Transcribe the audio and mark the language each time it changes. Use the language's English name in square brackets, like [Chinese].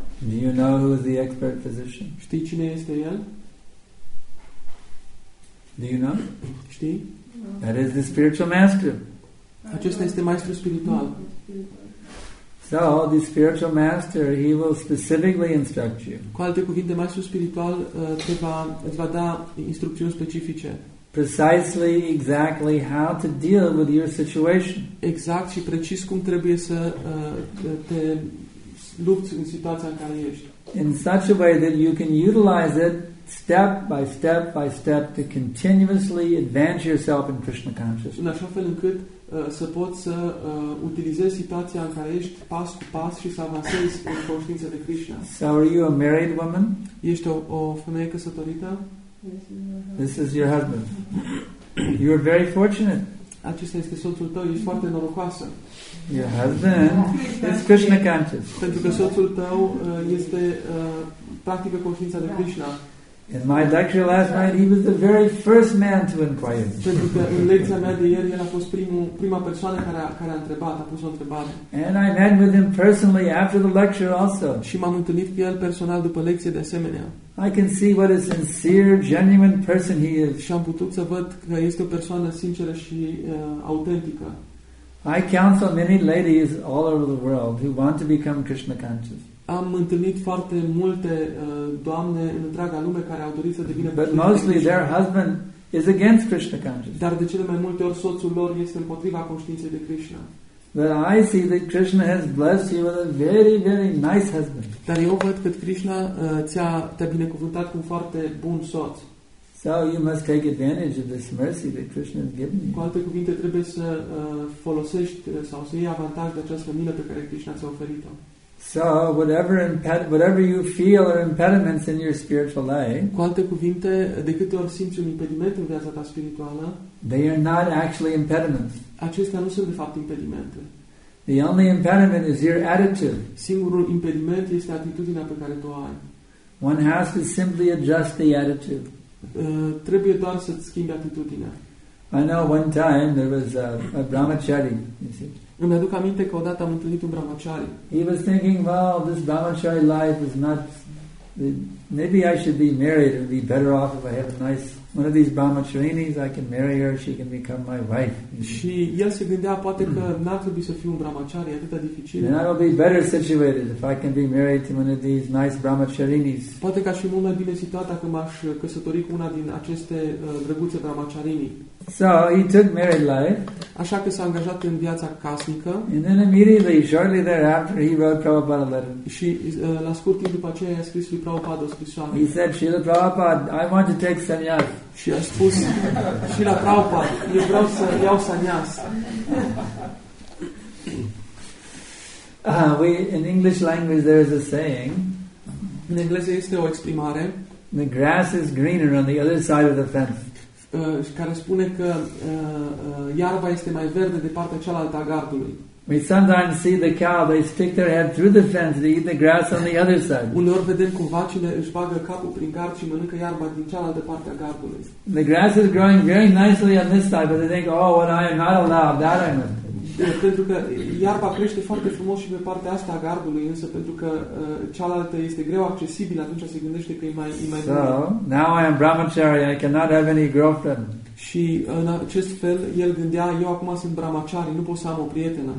[English] Do you know who is the expert physician? [Romanian] Știi cine este el? [English] Do you know? [Romanian] Știi? No. [English] That is the spiritual master. [Romanian] Acesta este maestru spiritual. [English] So, the spiritual master, he will specifically instruct you. [Romanian] Cu alte cuvinte, maestru spiritual îți va da instrucțiuni specifice. [English] precisely exactly how to deal with your situation. [Romanian] Exact și precis cum trebuie să te lupți în situația în care ești. [English] In such a way that you can utilize it step by step by step to continuously advance yourself in Krishna consciousness. [Romanian] În așa fel încât să poți să utilizezi situația în care ești pas cu pas și să avansezi în conștiința de Krishna. [English] So are you a married woman? [Romanian] Ești o femeie căsătorită? [English] This is your husband. You are very fortunate. [Romanian] Acesta este soțul tău, ești foarte norocoasă. [English] Your husband is Krishna conscious. [Romanian] Pentru că soțul tău este practică conștiința de Krishna. [English] In my lecture last night, he was the very first man to inquire. [Romanian] Pentru că în lecția mea de ieri, el a fost prima persoană care a întrebat, a pus o întrebare. [English] And I met with him personally after the lecture also. [Romanian] Și m-am întâlnit cu el personal după lecție de asemenea. [English] I can see what a sincere, genuine person he is. [Romanian] Și am putut să văd că este o persoană sinceră și autentică. [English] I counsel many ladies all over the world who want to become Krishna conscious. [Romanian] Am întâlnit foarte multe doamne în întreaga lume care au dorit să devină [English] But mostly their husband is against Krishna consciousness. [Romanian] Dar de cele mai multe ori soțul lor este împotriva conștiinței de Krishna. [English] But I see that Krishna has blessed you with a very, very nice husband. [Romanian] Dar eu văd că Krishna te-a binecuvântat cu un foarte bun soț. [English] So you must take advantage of this mercy that Krishna has given you. [Romanian] Cu alte cuvinte, trebuie să folosești sau să iei avantaj de această milă pe care Krishna ți-a oferit-o. [English] So whatever you feel are impediments in your spiritual life. [Romanian] Cu alte cuvinte, de câte ori simți un impediment în viața ta spirituală? [English] They are not actually impediments. [Romanian] Acestea nu sunt de fapt impedimente. [English] The only impediment is your attitude. [Romanian] Singurul impediment este atitudinea pe care tu o ai. [English] One has to simply adjust the attitude. [Romanian] Trebuie doar să -ți schimbi atitudinea. [English] I know one time there was a brahmachari, you see. [Romanian] Îmi aduc aminte că odată am întâlnit un brahmachari. [English] He was thinking, well, this brahmachari life is not. Maybe I should be married. It would be better off if I have a nice one of these brahmacharinis. I can marry her. She can become my wife. [Romanian] Și el se gândea poate că n-ar trebui să fiu un brahmachari, atât de dificil. [English] Then I will be better situated if I can be married to one of these nice brahmacharinis. [Romanian] Poate că aș fi mult mai bine situat dacă m-aș căsători cu una din aceste drăguțe brahmacharini. [English] So he took married life. [Romanian] Așa că s-a angajat în viața casnică. [English] And then immediately, shortly thereafter, he wrote Prabhupada a letter. [Romanian] Și la scurt timp după aceea, a scris lui Prabhupada o scrisoare. [English] He said, Srila Prabhupada, I want to take sannyas. [Romanian] Și a spus, Srila Prabhupada, eu vreau să iau sannyas. [English] In English language, there is a saying. [Romanian] În engleză este o exprimare. [English] The grass is greener on the other side of the fence. [Romanian] Care spune că iarba este mai verde de partea cealaltă a gardului. [English] We sometimes see the cow, they stick their head through the fence to eat the grass on the other side. [Romanian] Uneori vedem cum vacile își bagă capul prin gard și mănâncă iarba din cealaltă parte a gardului. [English] The grass is growing very nicely on this side, but they think, oh, what I am not allowed, that I must. [Romanian] Pentru că iarba crește foarte frumos și pe partea asta a gardului, însă pentru că cealaltă este greu accesibilă, atunci se gândește că e mai [English] So, now I am brahmachari, I cannot have any girlfriend. [Romanian] Și în acest fel, el gândea, eu acum sunt brahmachari, nu pot să am o prietenă.